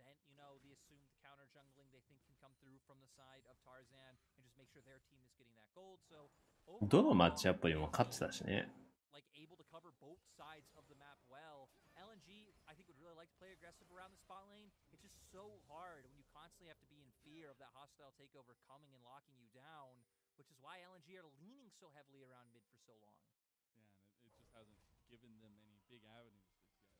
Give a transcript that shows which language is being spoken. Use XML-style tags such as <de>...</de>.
<en>You know, the assumed counter jungling they think can come through from the side of Tarzan and just make sure their team is getting that gold. So,</en> <ja>どのマッチアップにも勝ってたしね。</ja> <en>Like able to cover both sides of the map well. LNG, I think, would really like to play aggressive around the spot lane. It's just so hard when you constantly have to be in fear of that hostile takeover coming and locking you down, which is why LNG are leaning so heavily around mid for so long. Yeah, and it just hasn't given them any big avenues just yet.</en>